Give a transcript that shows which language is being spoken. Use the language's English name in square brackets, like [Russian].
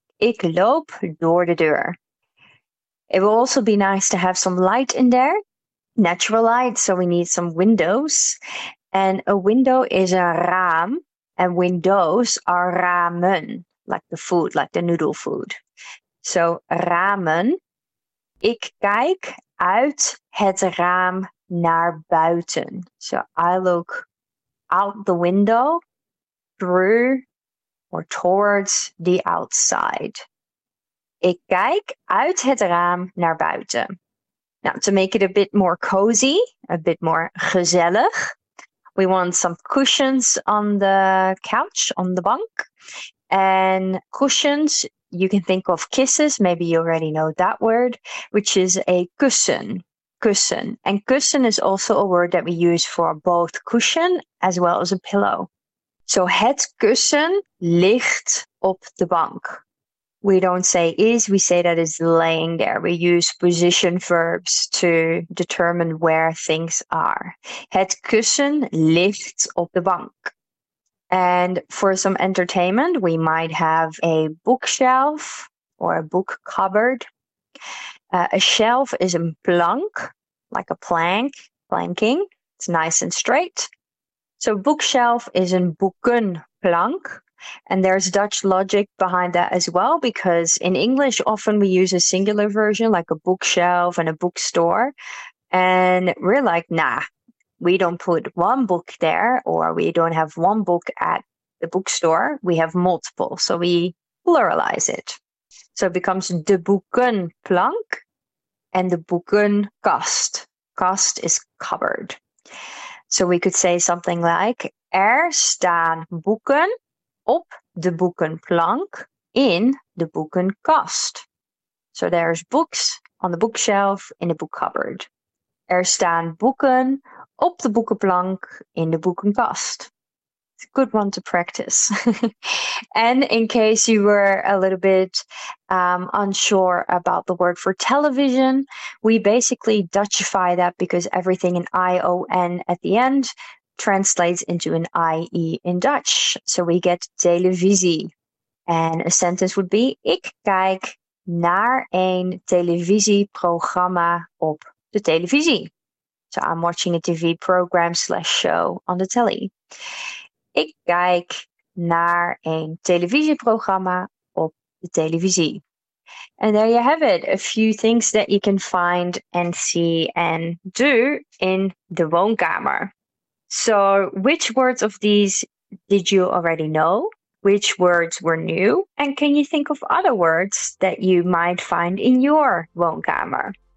[Dutch] Ik loop door de deur. [English] It will also be nice to have some light in there, natural light, so we need some windows. And a window is a raam, and windows are ramen, like the food, like the noodle food. [Dutch] So ramen, ik kijk uit het raam naar buiten. [English] So I look out the window, through or towards the outside. [Dutch] Ik kijk uit het raam naar buiten. [English] Now, to make it a bit more cozy, a bit more gezellig, we want some cushions on the couch, on the bunk. And cushions, you can think of kisses. Maybe you already know that word, which is a kussen. Kussen. And kussen is also a word that we use for both cushion as well as a pillow. [Dutch] So het kussen ligt op de bank. [English] We don't say is, we say that is laying there. We use position verbs to determine where things are. [Dutch] Het kussen ligt op de bank. [English] And for some entertainment, we might have a bookshelf or a book cupboard. A shelf is een plank, like a plank, planking. It's nice and straight. So bookshelf is een boekenplank. And there's Dutch logic behind that as well, because in English, often we use a singular version, like a bookshelf and a bookstore. And we're like, nah, we don't put one book there, or we don't have one book at the bookstore. We have multiple. So we pluralize it. So it becomes de boekenplank and de boekenkast. Kast is cupboard. So we could say something like, [Dutch] er staan boeken op de boekenplank in de boekenkast. [English] So there's books on the bookshelf in the book cupboard. [Dutch] Er staan boeken op de boekenplank in de boekenkast. [English] It's a good one to practice. And in case you were a little bit unsure about the word for television, we basically Dutchify that because everything in I-O-N at the end translates into an IE in Dutch. So we get televisie. And a sentence would be, [Dutch] ik kijk naar een televisieprogramma op de televisie. [English] So I'm watching a TV program / show on the telly. [Dutch] Ik kijk naar een televisieprogramma op de televisie. [English] And there you have it, a few things that you can find and see and do in de woonkamer. So which words of these did you already know? Which words were new? And can you think of other words that you might find in your woonkamer?